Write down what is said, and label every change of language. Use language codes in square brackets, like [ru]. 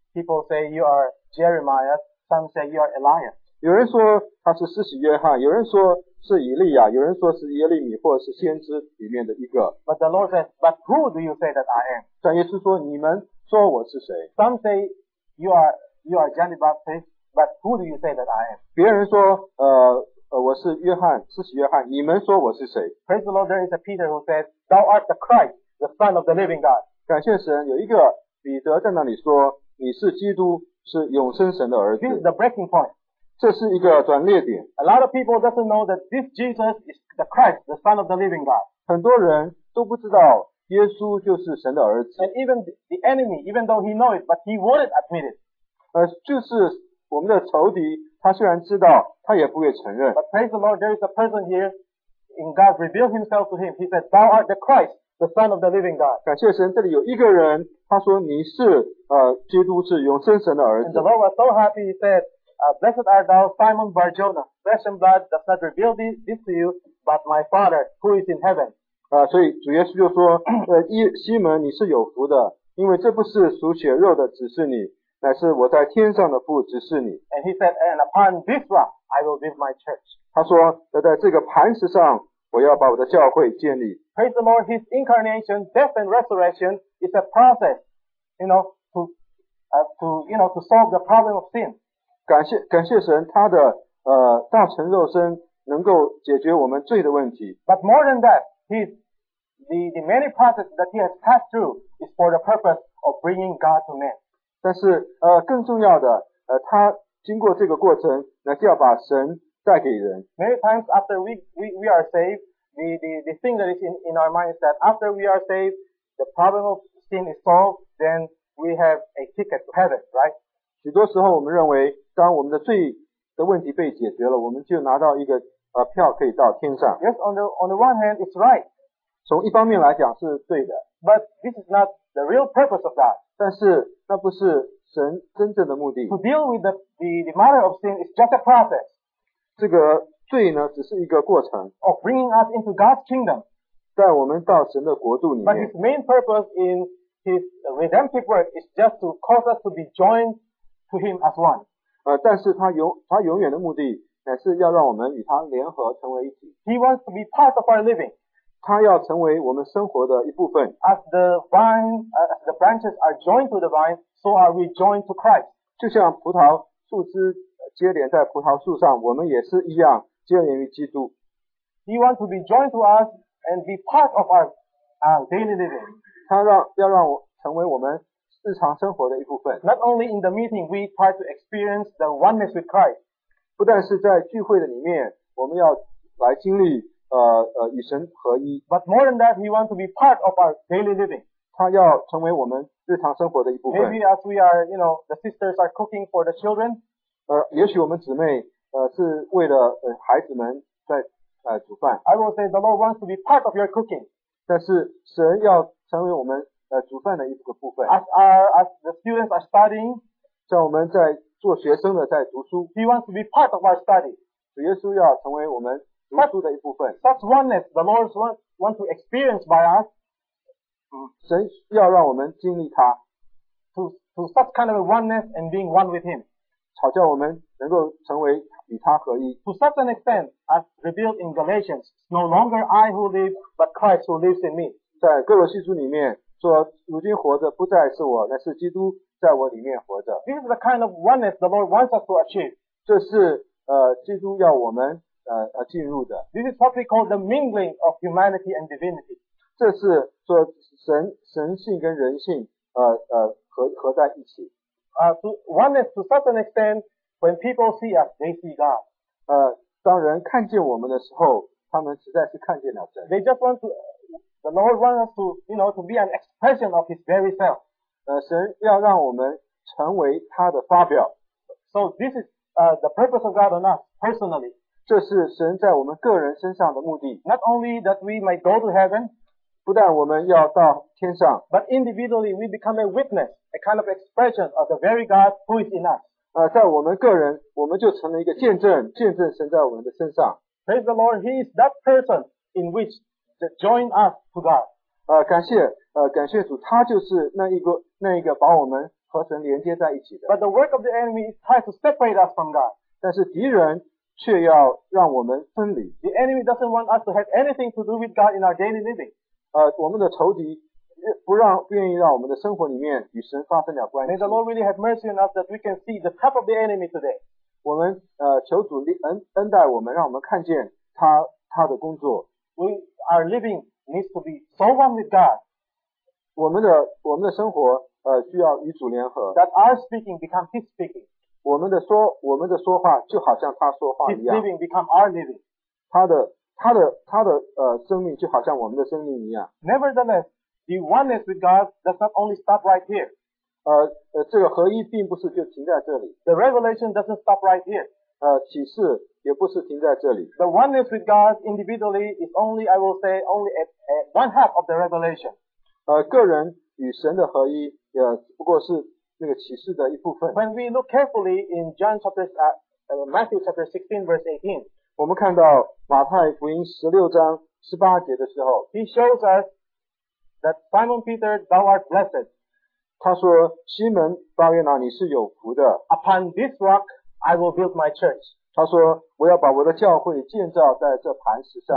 [en] People say you are Jeremiah. Some say you are Elias. [zh] 有人说他是施洗约翰，有人说是以利亚，有人说是耶利米或者是先知里面的一个。 [en] But the Lord says, but who do you say that I am? [zh] 但耶稣说你们说我是谁。 [en] Some say you are John the Baptist, but who do you say that I am? [zh] 别人说我是约翰，施洗约翰，你们说我是谁。 [en] Praise the Lord, there is a Peter who says, thou art the Christ, the Son of the living God. [zh] 感谢神，有一个彼得在那里说你是基督，是永生神的儿子。 [en] This is the breaking point. [zh] 这是一个转捩点。 [en] A lot of people doesn't know that this Jesus is the Christ, the Son of the Living God. [zh] 很多人都不知道耶稣就是神的儿子。 [en] And even the enemy, even though he knows it, but he wouldn't admit it. [zh] 就是我们的仇敌，他虽然知道，他也不会承认。 [en] But praise the Lord, there is a person here, in God revealed himself to him. He said, "Thou art the Christ, the Son of the Living God." [zh] 感谢神，这里有一个人，他说你是基督，是永生神的儿子。 [en] And the Lord was so happy, he said. Blessed art thou, Simon Barjona. Flesh and blood does not reveal this to you, but my Father who is in heaven. [zh] 所以主耶稣就说，西门你是有福的，因为这不是属血肉的指示你，乃是我在天上的父指示你。 [en] And he said, and upon this rock I will build my church. [zh] 他说，在这个磐石上，我要把我的教会建立。 [en] Praise the Lord, his incarnation, death and resurrection is a process, you know, to solve the problem of sin. [zh] 感谢神，他的道成肉身能够解决我们罪的问题。 [en] But more than that, the many process that he has passed through is for the purpose of bringing God to man. [zh] 但是更重要的他经过这个过程，那就要把神带给人。 [en] Many times after we are saved, the thing that is in our mind is that after we are saved, the problem of sin is solved, then we have a ticket to heaven, right? [zh] 许多时候我们认为当我们的罪的问题被解决了，我们就拿到一个票可以到天上。 [en] Yes, on the one hand, it's right. [zh] 从一方面来讲是对的。 [en] But this is not the real purpose of God. [zh] 但是那不是神真正的目的。 [en] To deal with the matter of sin is just a process. [zh] 这个罪呢，只是一个过程。 [en] Of bringing us into God's kingdom. [zh] 带我们到神的国度里面。 [en] But his main purpose in his redemptive work is just to cause us to be joined to him as one. [zh] 但是他永远的目的乃是要让我们与他联合成为一体。 [en] He wants to be part of our living. [zh] 他要成为我们生活的一部分。 [en] As the vine, as the branches are joined to the vine, so are we joined to Christ. [zh] 就像葡萄树枝接连在葡萄树上，我们也是一样接连于基督。 [en] He wants to be joined to us and be part of our daily living. [zh] 他要让我成为我们日常生活的一部分。 [en] Not only in the meeting, we try to experience the oneness with Christ. [zh] 不但是在聚会的里面，我们要来经历与神合一。 [en] But more than that, he wants to be part of our daily living. [zh] 他要成为我们日常生活的一部分。 [en] Maybe as we are, you know, the sisters are cooking for the children. [zh] 也许我们姊妹是为了孩子们在煮饭。 [en] I will say the Lord wants to be part of your cooking. [zh] 但是神要成为我们煮饭的一个部分。 [en] As the students are studying, [zh] 像我们在做学生的在读书。 [en] He wants to be part of our study. [zh] 主耶稣要成为我们读书的一部分。 [en] Such oneness the Lord wants to experience by us. [zh] 神要让我们经历他。 [en] To such kind of oneness and being one with him. [zh] 好叫我们能够成为与他合一。 [en] To such an extent, as revealed in Galatians, no longer I who live, but Christ who lives in me. [zh] 在哥罗西书里面说，如今活着不再是我，乃是基督在我里面活着。 [en] This is the kind of oneness the Lord wants us to achieve. [zh] 这是基督要我们进入的。 [en] This is what we call the mingling of humanity and divinity. [zh] 这是说神性跟人性合在一起。 [en] Oneness to such an extent, when people see us, they see God. [zh] 当人看见我们的时候，他们实在是看见了神。 [en] They just want to, the Lord wants us to, you know, to be an expression of His very self. [zh] 神要让我们成为他的发表。 [en] So this is the purpose of God on us personally. [zh] 这是神在我们个人身上的目的。 [en] Not only that we might go to heaven. [zh] 不但我们要到天上 [en] ，but individually we become a witness, a kind of expression of the very God who is in us. [zh] 在我们个人，我们就成了一个见证，见证神在我们的身上。 [en] Praise the Lord, He is that person in which that join us to God. [zh] 感谢主，他就是那一个把我们和神连接在一起的。 [en] But the work of the enemy is try to separate us from God. [zh] 但是敌人却要让我们分离。 [en] The enemy doesn't want us to have anything to do with God in our daily living. [zh] 我们的仇敌不愿意让我们的生活里面与神发生了关系。 [en] May the Lord really have mercy on us that we can see the type of the enemy today. [zh] 我们求主恩待我们，让我们看见他的工作。 [en] We are living needs to be so one with God. [zh] 我们的生活需要与主联合。 [en] That our speaking become His speaking. [zh] 我们的说话就好像他说话一样。 [en] His living become our living. [zh] 他的生命就好像我们的生命一样。 [en] Nevertheless, the oneness with God does not only stop right here. [zh] 这个合一并不是就停在这里。 [en] The revelation doesn't stop right here. [zh] 启示也不是停在这里。 [en] The oneness with God individually is only, I will say, only at one half of the revelation. [zh] 个人与神的合一也不过是那个启示的一部分。 [en] When we look carefully in John chapter, Matthew chapter 16 verse 18, [zh] 我们看到马太福音十六章十八节的时候 [en] ，He shows us that Simon Peter, thou art blessed. [zh] 他说西门巴约拿你是有福的。 [en] Upon this rock I will build my church. [zh] 他说我要把我的教会建造在这磐石上。